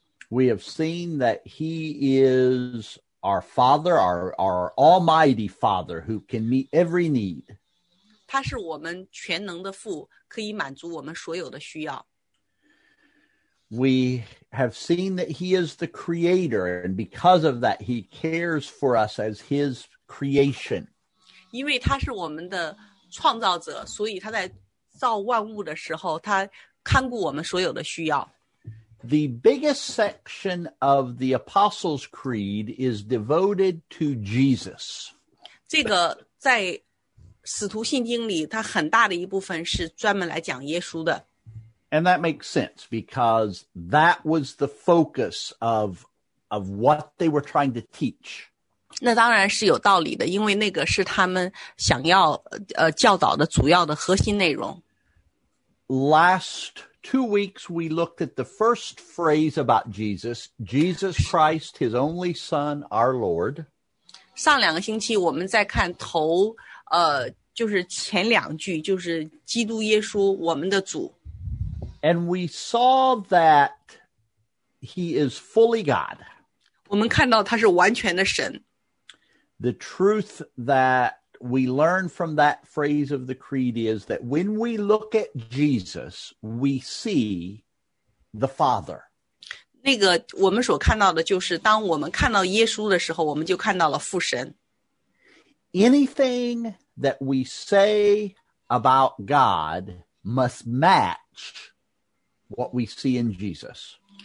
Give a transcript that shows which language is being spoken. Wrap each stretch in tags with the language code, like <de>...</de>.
<en>We have seen that he is our Father, our Almighty Father, who can meet every need.</en> <zh>他是我们全能的父,</zh> <en>We have seen that he is the Creator, and because of that, he cares for us as his creation.</en> <zh>因为他是我们的创造者, 所以他在造万物的时候, 他看顾我们所有的需要。</zh> <en>The biggest section of the Apostles' Creed is devoted to Jesus.</en> <zh>这个在使徒信经里, 它很大的一部分是专门来讲耶稣的。</zh> <en>And that makes sense because that was the focus of what they were trying to teach.</en> <zh>那当然是有道理的, 因为那个是他们想要, 教导的主要的核心内容。</zh> <en>Last 2 weeks, we looked at the first phrase about Jesus, Jesus Christ, his only son, our Lord.</en> <zh>上两个星期我们再看头, 就是前两句, 就是基督耶稣, 我们的主。</zh> <en>And we saw that he is fully God.</en> <zh>我们看到他是完全的神。</zh> <en>The truth that we learn from that phrase of the creed is that when we look at Jesus, we see the Father.</en> <zh>那个我们所看到的就是，当我们看到耶稣的时候，我们就看到了父神。</zh> <en>Anything that we say about God must match what we see in Jesus.</en>